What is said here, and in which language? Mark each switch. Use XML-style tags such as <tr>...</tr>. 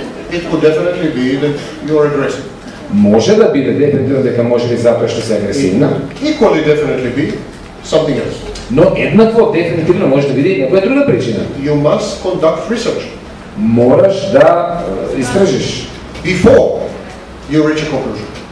<en>It could definitely be that you are aggressive.</en> <mk>Може да биде дефинитивно дека може би затоа што си агресивна.</mk> <en>Equally definitely be something else.</en> <mk>Но еднакво дефинитивно може да биде некоја друга причина.</mk> <en>You must conduct research.</en> <mk>Мораш да истражиш.</mk> <en>Before you reach a conclusion.</en>